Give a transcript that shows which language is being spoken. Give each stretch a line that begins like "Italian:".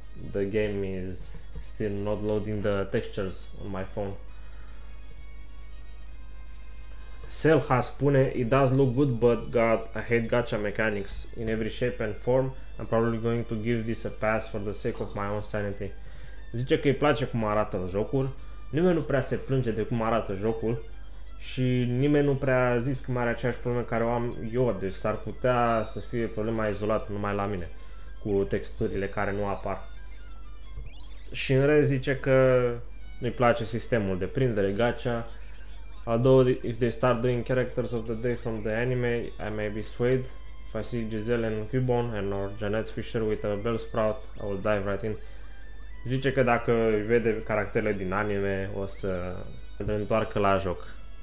English: The game is still not loading the textures on my phone. Selha
Romanian: spune,
English: it does look good, but God, I hate gacha mechanics in every shape and form. I'm probably going to give this a pass for the sake of my own sanity.
Romanian: Zice că îi place cum arată jocul, nimeni nu prea se plânge de cum arată jocul și nimeni nu prea zis că are aceeași problemă care o am eu, deci s-ar putea să fie problema izolată numai la mine, cu texturile care nu apar. Și în rest zice că nu-i place sistemul de prindere gacha.
English: Although if they start doing characters of the day from the anime, I may be swayed. If I see Giselle and Cubone and or Jeanette Fisher with a Bellsprout, I will dive right in.
Romanian: Zice că dacă vede caracterele din anime, o să se întoarcă la joc.